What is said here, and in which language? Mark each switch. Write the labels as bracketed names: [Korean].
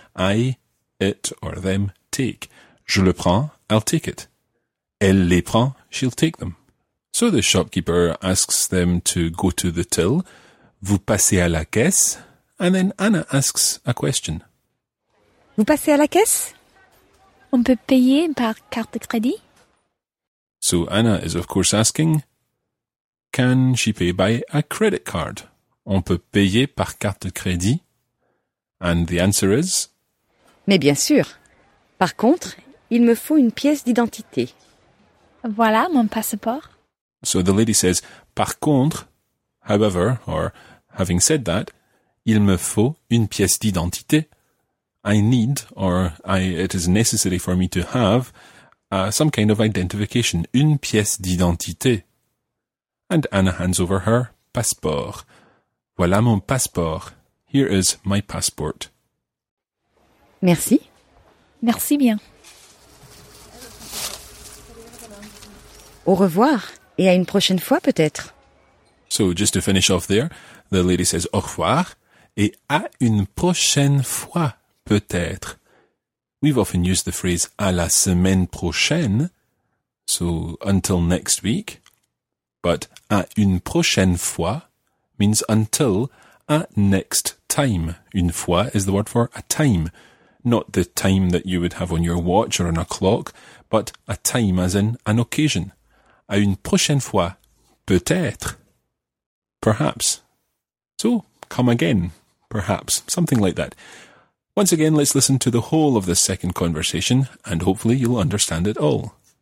[English] I, it or them, take. [French] Je le prends, [English] I'll take it. [French] Elle les prend, [English] she'll take them. So the shopkeeper asks them to go to the till. [French] Vous passez à la caisse? [English] And then Anna asks a question. [French] Vous passez à la caisse? On peut payer par carte de crédit? [English] So Anna is of course asking, can she pay by a credit card? [French] On peut payer par carte de crédit? [English] And the answer is... [French] Mais bien sûr. Par contre, il me faut une pièce d'identité. Voilà mon passeport. [English] So the lady says, par contre, however, or having said that, [French] il me faut une pièce d'identité. [English] I need, or I, it is necessary for me to have, some kind of identification. [French] Une pièce d'identité. [English] And Anna hands over her passeport. [French] Voilà mon passeport. [English] Here is my passport. [French] Merci. Merci bien. Au revoir. Et à une prochaine fois, peut-être. [English] So, just to finish off there, the lady says [French] au revoir et à une prochaine fois, peut-être. [English] We've often used the phrase [French] à la semaine prochaine, [English] so until next week. But [French] à une prochaine fois [English] means until a next time. Une fois is the word for a time, not the time that you would have on your watch or on a clock, but a time as in an occasion. [French] À une prochaine fois, peut-être, [English] perhaps. So, come again, perhaps, something like that. Once again, let's listen to the whole of this second conversation, and hopefully you'll understand it all.